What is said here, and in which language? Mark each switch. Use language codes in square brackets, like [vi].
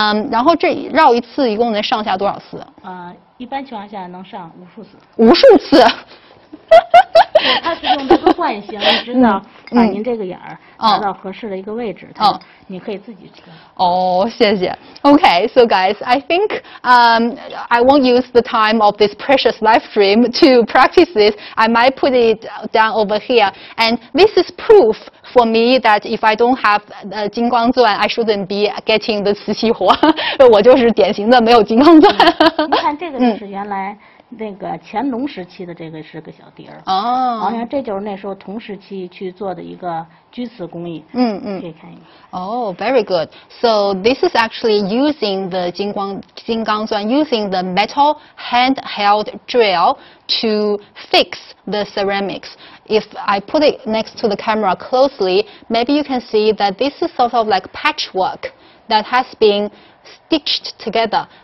[zh] 然后这绕一次一共能上下多少次？一般情况下能上无数次。无数次。对，它是用这个惯性，你知道，把您这个眼儿拿到合适的一个位置，它你可以自己去。 Oh, 谢谢。 [en] Okay, so guys, I think I won't use the time of this precious live stream to practice this. I might put it down over here. And this is proof for me that if I don't have 金光钻, I shouldn't be getting the 瓷器活. [zh] 我就是典型的没有金光钻。你看这个就是原来那个乾隆时期的，这个是个小碟儿。哦，好像这就是那时候同时期去做的一个钧瓷工艺。嗯嗯，可以看一下。 [en] Oh, very good. So this is actually using the 金刚钻, using the metal handheld drill to fix the ceramics. If I put it next to the camera closely, maybe you can see that this is sort of like patchwork that has been stitched together.